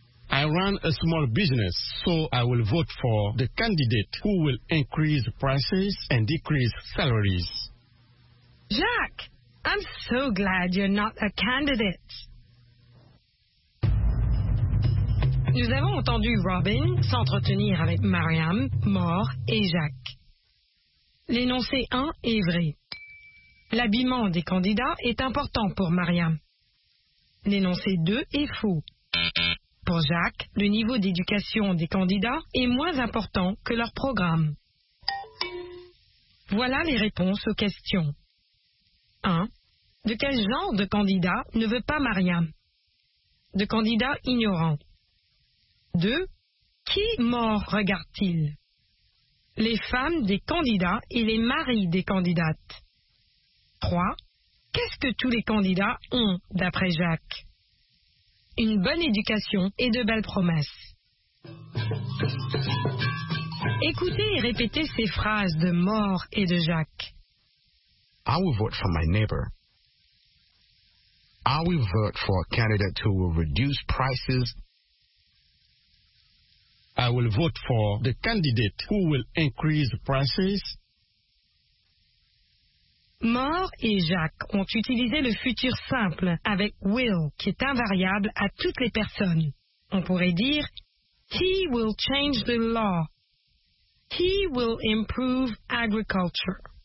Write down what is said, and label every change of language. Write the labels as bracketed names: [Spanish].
[English] I run a small business, so I will vote for the candidate who will increase prices and decrease salaries. Jacques, I'm so glad you're not a candidate. [French] Nous avons entendu Robin s'entretenir avec Mariam, Mor et Jacques. L'énoncé 1 est vrai. L'habillement des candidats est important pour Mariam. L'énoncé 2 est faux. Pour Jacques, le niveau d'éducation des candidats est moins important que leur programme. Voilà les réponses aux questions. 1. De quel genre de candidat ne veut pas Mariam? De candidat ignorant. 2. Qui mort regarde-t-il? Les femmes des candidats et les maris des candidates. 3. Qu'est-ce que tous les candidats ont, d'après Jacques? Une bonne éducation et de belles promesses. Écoutez et répétez ces phrases de mort et de Jacques. [English] I will vote for my neighbor. I will vote for a candidate who will reduce prices. I will vote for the candidate who will increase prices. [French] Mort et Jacques ont utilisé le futur simple avec will, qui est invariable à toutes les personnes. On pourrait dire, [English] he will change the law. He will improve agriculture.